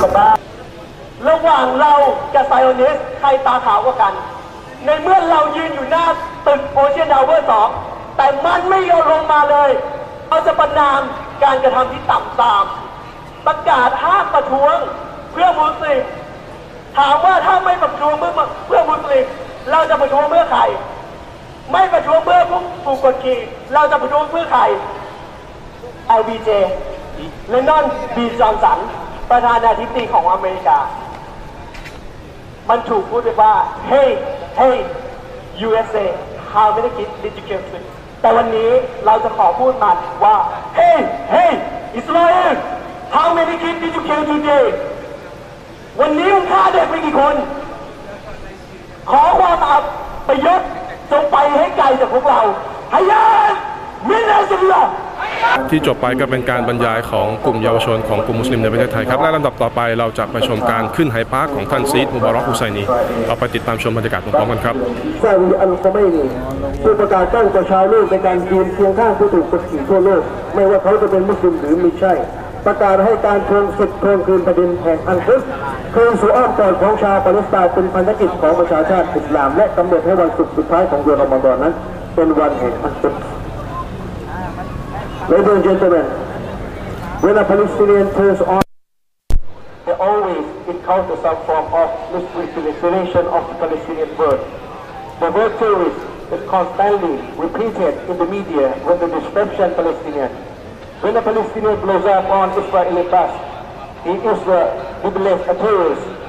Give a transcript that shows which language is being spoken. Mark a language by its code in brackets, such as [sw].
[th] กับบ้านระหว่างเรากับไซโอเนสใครตาขาวกว่ากันในเมื่อเรายืนอยู่หน้าตึกโอเชียนทาวเวอร์2แต่มันไม่ยอมลงมาเลยเราจะประณามการกระทำที่ต่ำทรามประกาศห้ามประท้วงเพื่อมุสลิมถามว่าถ้าไม่ประท้วงเพื่อมุสลิมเราจะประท้วงเพื่อใครไม่ประท้วงเพื่อผู้ถูกกดขี่เราจะประท้วงเพื่อใคร LBJ Lyndon B. Johnson ประธานาธิบดีของอเมริกามันถูกพูดไปว่าเฮ้ย [en] USA How many kids did you kill today? [th] แต่วันนี้เราจะขอพูดมาว่า [en] Hey Hey Israel How many kids did you kill today? [th] วันนี้มึงฆ่าเด็กไปกี่คนขอความอภัยจงไปให้ไกลจากพวกเราฮายาตมินาซิลลา ที่จบไปก็เป็นการบรรยายของกลุ่มเยาวชนของกลุ่มมุสลิมในประเทศไทยครับและลำดับต่อไปเราจะไปชมการขึ้นไฮปาร์คของท่านซีดมุบารอกอุไซนีเราไปติดตามชมบรรยากาศพร้อมกันครับ ซาอุดีอาระเบียนี่ผู้ประกาศตั้งประชาโลกในการยืนเคียงข้างผู้ถูกกดขี่ทั่วโลกไม่ว่าเขาจะเป็นมุสลิมหรือไม่ใช่ประกาศให้การทวงสิทธิ์ทวงคืนแผ่นดินแห่งอังกฤษคืนสู่อ้อมกอดของชาวปาเลสไตน์เป็นพันธกิจของประชาชาติอิสลามและกำหนดให้วันศุกร์สุดท้ายของเดือนรอมฎอนนั้นเป็นวันแห่งอังกฤษ [en] Ladies and gentlemen, when a Palestinian turns on, they always encounter some form of misrepresentation of the Palestinian word. The word terrorist is constantly repeated in the media when the description Palestinian. When a Palestinian blows up on Israeli bus, he is labeled a terrorist.